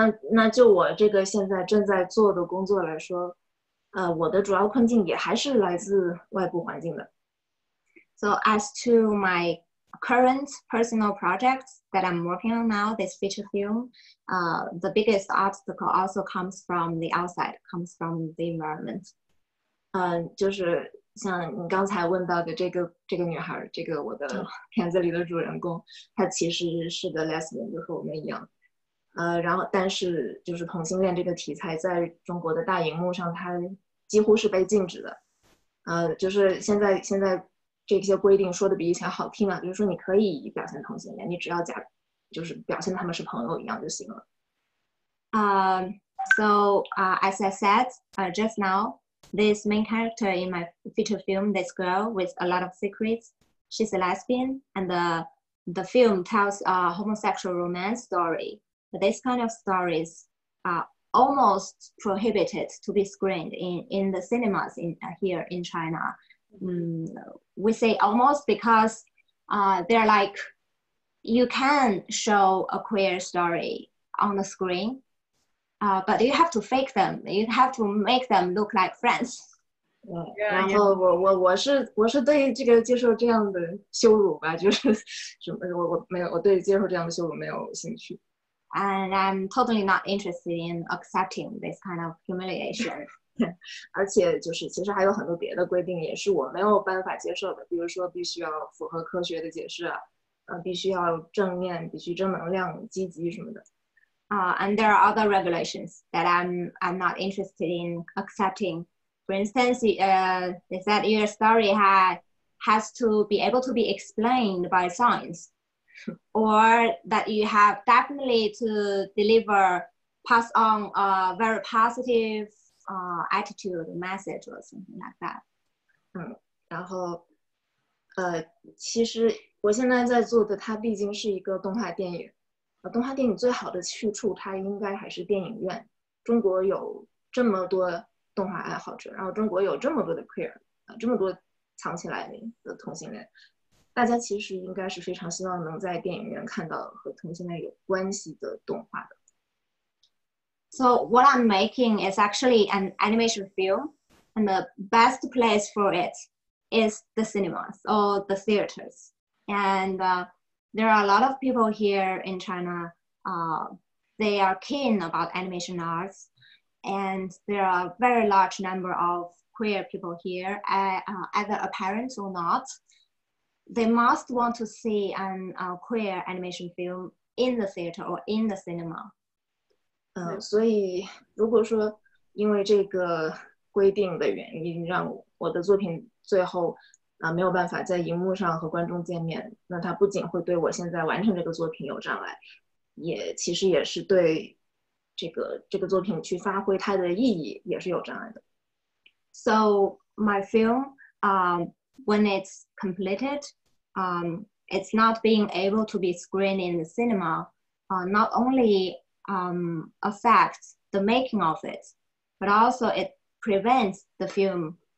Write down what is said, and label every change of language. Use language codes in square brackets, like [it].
[zh] 那就我这个现在正在做的工作来说，我的主要困境也还是来自外部环境的。 [en] So as to my current personal projects that I'm working on now, this feature film, the biggest obstacle also comes from the outside, comes from the environment. [zh] 就是像你刚才问到的这个女孩，这个我的片子里的主人公，她其实是个 lesbian， 就和我们一样。然后但是就是同性恋这个题材在中国的大荧幕上，它几乎是被禁止的。就是现在这些规定说的比以前好听了，就是说你可以表现同性恋，你只要就是表现他们是朋友一样就行了。 [en] As I said, just now. This main character in my feature film, this girl with a lot of secrets, she's a lesbian, and the film tells a homosexual romance story. But this kind of stories are almost prohibited to be screened in the cinemas here in China. We say almost because they're like, you can show a queer story on the screen,but you have to fake them. You have to make them look like friends. [zh] Yeah, 然后我是对这个接受这样的羞辱吧，就是什么我对接受这样的羞辱没有兴趣。 [en] And I'm totally not interested in accepting this kind of humiliation. [zh] 而且就是其实还有很多别的规定也是我没有办法接受的，比如说必须要符合科学的解释，必须要正面，必须正能量，积极什么的。 [en] And there are other regulations that I'm not interested in accepting. For instance, they said your story has to be able to be explained by science, or that you have definitely to pass on a very positive attitude message or something like that. [zh] 然后其实我现在在做的它毕竟是一个动画电影。动画电影最好的去处它应该还是电影院。中国有这么多动画爱好者，然后中国有这么多的 queer， 这么多藏起来的同性恋，大家其实应该是非常希望能在电影院看到和同性恋有关系的动画的。 [en] So what I'm making is actually an animation film, and the best place for it is the cinemas or the theaters. And there are a lot of people here in China, they are keen about animation arts, and there are a very large number of queer people here, either apparent or not. They must want to see a queer animation film in the theater or in the cinema. [zh] 所以如果说因为这个规定的原因让我的作品最后没有办法在荧幕上和观众见面，那它不仅会对我现在完成这个作品有障碍，也其实也是对这个作品去发挥它的意义也是有障碍的。 [en] So my film, when it's completed, it's not being able to be screened in the cinema, not only affects the making of it, but also it prevents the film.